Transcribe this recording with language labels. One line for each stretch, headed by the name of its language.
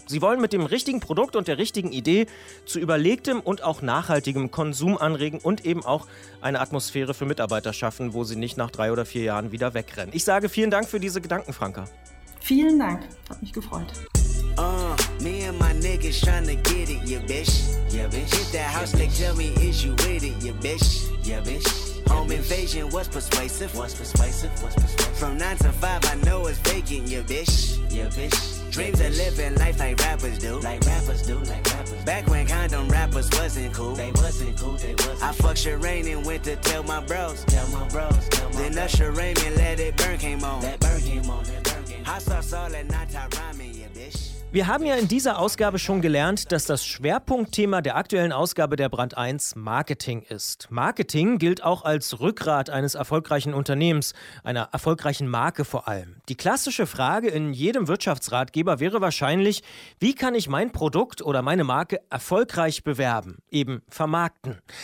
German: Sie wollen mit dem richtigen Produkt und der richtigen Idee zu überlegtem und auch nachhaltigem Konsum anregen und eben auch eine Atmosphäre für Mitarbeiter schaffen, wo sie nicht nach 3 oder 4 Jahren wieder wegrennen. Ich sage vielen Dank für diese Gedanken, Franka. Vielen Dank, hat mich gefreut.
English: Me and my niggas tryna get it, ya bitch. Hit that house, nigga, tell me is you with it, ya bitch. Home invasion was persuasive. What's persuasive? From 9 to 5, I know it's vacant, ya bitch. Dreams of living life like rappers do. Like rappers. Back when condom rappers wasn't cool. They wasn't cool. I fucked Shireen and went to tell my bros. Then Usher Raymond let it burn, came on. I saw Saul and Nata rhyming, ya bitch.
German: Wir haben ja in dieser Ausgabe schon gelernt, dass das Schwerpunktthema der aktuellen Ausgabe der Brand 1 Marketing ist. Marketing gilt auch als Rückgrat eines erfolgreichen Unternehmens, einer erfolgreichen Marke vor allem. Die klassische Frage in jedem Wirtschaftsratgeber wäre wahrscheinlich, wie kann ich mein Produkt oder meine Marke erfolgreich bewerben, eben vermarkten?